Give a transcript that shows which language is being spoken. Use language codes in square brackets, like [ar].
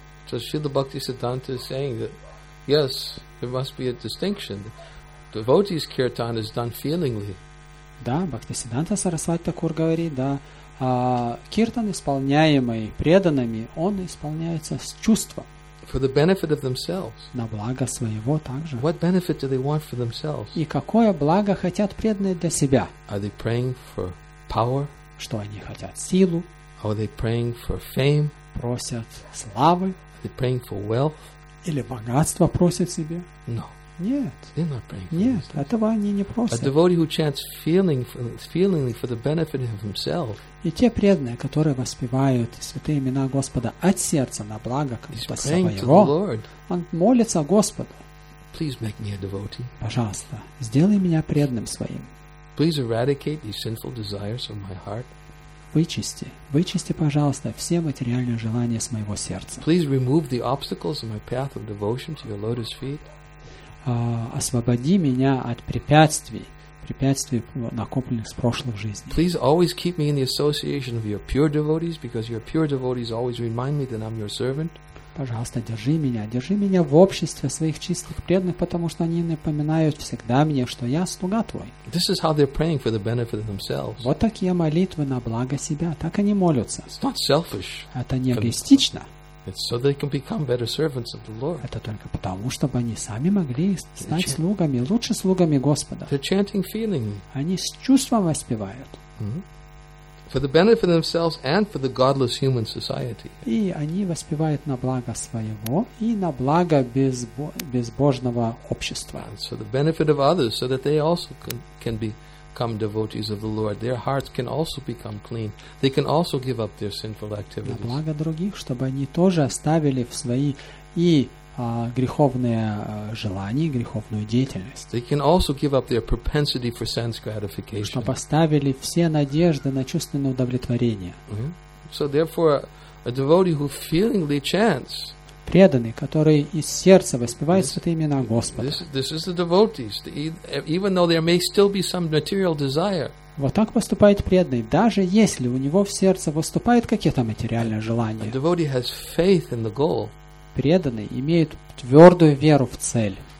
[en] So Srila Bhaktisiddhanta is saying that yes, there must be a distinction. Devotee's kirtan is done feelingly. [ru] Да, Бхактисиддханта Сарасвати Такур говорит, да, киртан, исполняемый преданными, он исполняется с чувством. [en] For the benefit of themselves. [ru] На благо своего также. [en] What benefit do they want for themselves? [ru] И какое благо хотят преданные для себя? [en] Are they praying for power? [ru] Что они хотят? Силу? [en] Are they praying for fame? [ru] Просят славы? [en] Are they praying for wealth? [ru] Или богатство просят себе? [en] No. [ru] Нет. [en] They're not praying for [ru] Нет, [en] themselves. [ru] Этого они не просят. [en] A devotee who chants feelingly for the benefit of himself. [ru] И те преданные, которые воспевают святые имена Господа от сердца на благо своего, он молится Господу. [en] Please make me a devotee. [ru] Пожалуйста, сделай меня преданным своим. [en] Please eradicate these sinful desires from my heart. [ru] Вычисти, пожалуйста, все материальные желания с моего сердца. [en] Please remove the obstacles in my path of devotion to your lotus feet. [ru] Освободи меня от препятствий, накопленных с прошлых жизней. [en] Please always keep me in the association of your pure devotees, because your pure devotees always remind me that I'm your servant. [ru] Пожалуйста, держи меня в обществе своих чистых преданных, потому что они напоминают всегда мне, что я слуга твой. [en] This is how they're praying for the benefit of themselves. [ru] Вот такие молитвы на благо себя, так они молятся. [en] It's not selfish. [ru] Это не эгоистично. [en] It's so they can become better servants of the Lord. [ru] Это только потому, чтобы они сами могли стать слугами, лучше слугами Господа. [en] They're chanting feelingly. [ru] Они с чувством воспевают. [en] For the benefit of themselves and for the godless human society. [ru] И они воспевают на благо своего и на благо безбожного общества. [en] So the benefit of others, so that they also can become devotees of the Lord. Their hearts can also become clean. They can also give up their sinful activities. [ru] На благо других, чтобы они тоже оставили в свои и греховные желания, греховную деятельность. [en] They can also give up their propensity for sense gratification. [ru] Чтобы оставили все надежды на чувственное удовлетворение. [en] So therefore, a devotee who feelingly chants. [ru] Преданный, который из сердца воспевает святые имена Господа. [en] This is the devotees, even though there may still be some material desire. [ru] Вот так поступает преданный, даже если у него в сердце выступают какие-то материальные желания. [en] A devotee has faith in the goal. [ru] Преданный имеет твердую веру в цель.